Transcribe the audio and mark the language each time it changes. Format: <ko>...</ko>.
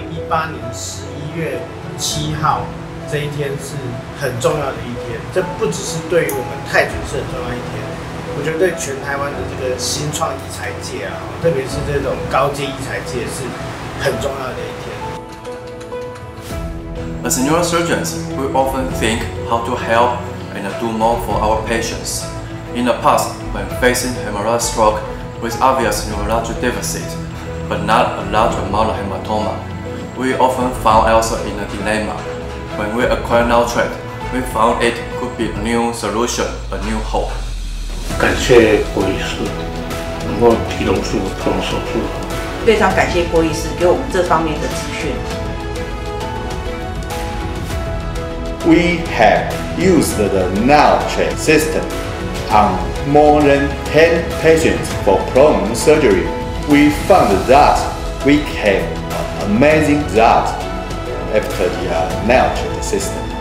<zh>2018年11月7号这一天是很重要的一天，这不只是对于我们太准是很重要的一天，我觉得对全台湾的这个新创医材界啊，特别是这种高阶医材界是很重要的一天。</zh> <en>As neurosurgeons, we often think how to help and do more for our patients. In the past, when facing hemorrhagic stroke with obvious neurologic deficit, but not a large amount of hematoma, we often found ourselves in a dilemma. When we acquired NaoTrac, we found it could be a new solution, a new hope.</en> <zh>感谢郭医师能够提供这种手术。非常感谢郭医师给我们这方面的资讯。</zh> <en>We have used the NaoTrac system on more than 10 patients for prone surgery. We found that we have amazing result after the NaoTrac system.</en>